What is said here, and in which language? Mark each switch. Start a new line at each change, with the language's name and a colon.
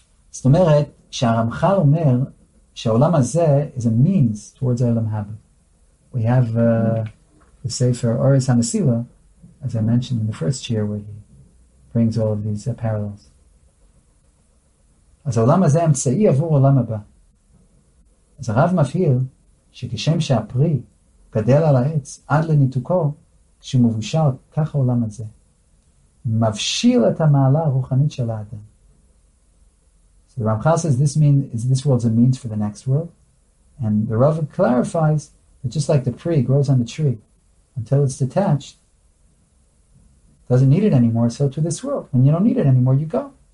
Hebrew: זאת אומרת, שהרמח"ל אומר שהעולם הזה
English: is a means towards
Hebrew: Olam Haba.
English: We have the Sefer Oris HaMesila, as I mentioned in the first year, where he brings all of these parallels.
Hebrew: אז העולם הזה אמצעי עבור עולם הבא. אז הרב מפהיר שכשם שהפרי גדל על העץ עד לניתוקו, כשהוא מבושל, כך העולם הזה מבשיל את המעלה הרוחנית של האדם.
English: So the Ramchal says this world is a means for the next world. And the Rav clarifies that just like the pre grows on the tree, until it's detached, doesn't need it anymore, so to this world. When you don't need it anymore, you go.